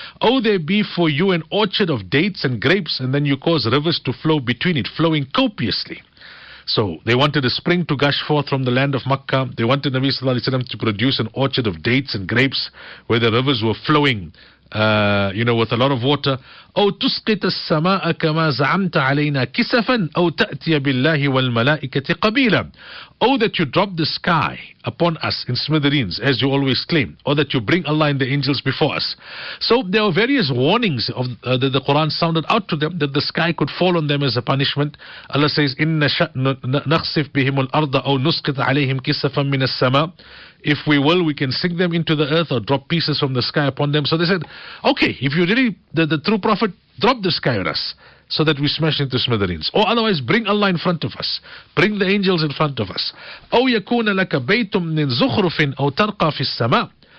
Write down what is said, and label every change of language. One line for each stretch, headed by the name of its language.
English: Oh, there be for you an orchard of dates and grapes, and then you cause rivers to flow between it, flowing copiously. So they wanted a spring to gush forth from the land of Makkah. They wanted Nabi Sallallahu Alaihi Wasallam to produce an orchard of dates and grapes where the rivers were flowing with a lot of water.
Arabic: أو تسقط السماء كما زعمت علينا كسفا أو تأتي بالله والملائكة قبيلا.
English: Oh, that you drop the sky upon us in smithereens, as you always claim, or that you bring Allah and the angels before us. So there are various warnings of that the Quran sounded out to them, that the sky could fall on them as a punishment. Allah says,
Arabic: إِنَّ نَخْسِفْ بِهِمُ الْأَرْضَ أَوْ نُسْقِطْ عَلَيْهِمْ كِسَفًا مِنَ السَّمَاءِ.
English: If we will, we can sink them into the earth or drop pieces from the sky upon them. So they said, okay, if you really, the true prophet, drop the sky on us so that we smash into smithereens. Or otherwise, bring Allah in front of us. Bring the angels in front of us.
Arabic: أَوْ يَكُونَ لَكَ بَيْتٌ مِّن زُخْرُفٍ أَوْ تَرْقَى فِي السَّمَاءِ.